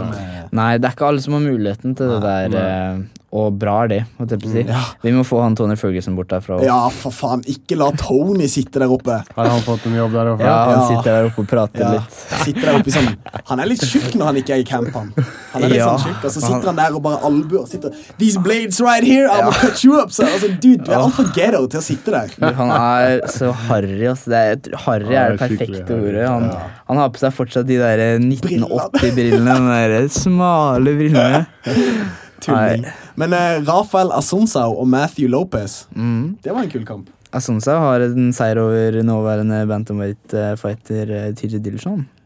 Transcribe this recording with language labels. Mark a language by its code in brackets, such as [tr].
[no] Nei. Nei, det er ikke alle som har muligheten til det der. Og bra er det, må jeg si. Vi må få han Tony Ferguson bort derfra. Ja, for faen. Ikke la Tony sitte der oppe. Har han fått en jobb der oppe? Ja, han sitter der oppe og prater litt. Sitter der oppe sånn... Han er litt tjukk når han ikke er i camp, han. Han er litt sånn tjukk. Og så sitter han der og bare albu og sitter... [en] These blades right here, I'm gonna cut you up. [no] Så altså, dude, du er alt for ghetto til å sitte der. Han er så harrig, altså. Harrig er det perfekte ordet. Han har på seg fortsatt de der 1980-brillene. De der smale brillene. Tulling. Men Rafael Assunção og Matthew Lopez, det var en kul kamp. Assunção har en seier over nåværende bantamweight-fighter TJ Dillashaw.